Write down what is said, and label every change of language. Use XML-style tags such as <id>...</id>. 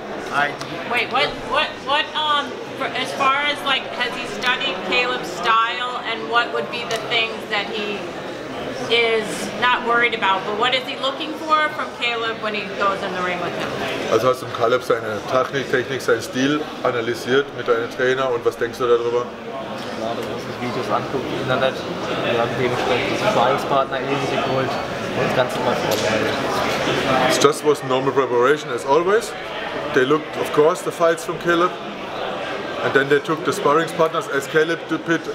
<en>Hi. Wait, what, as far as like, has he studied Caleb's style and what would be the things that he is not worried about, but what is he looking for from Caleb when he goes in the ring with him?</en> <de>Also hast du Caleb seine Technik, seinen Stil analysiert mit deinem Trainer und was denkst du darüber? Ja, dass man sich Videos anguckt im Internet. Wir haben dementsprechend diesen Sparringspartner eben geholt und das Ganze mal vorbereitet.</de> <en>It's just was normal preparation as always. They looked of course the fights from Caleb. And then they took the Sparringspartners as Caleb to pit.</en>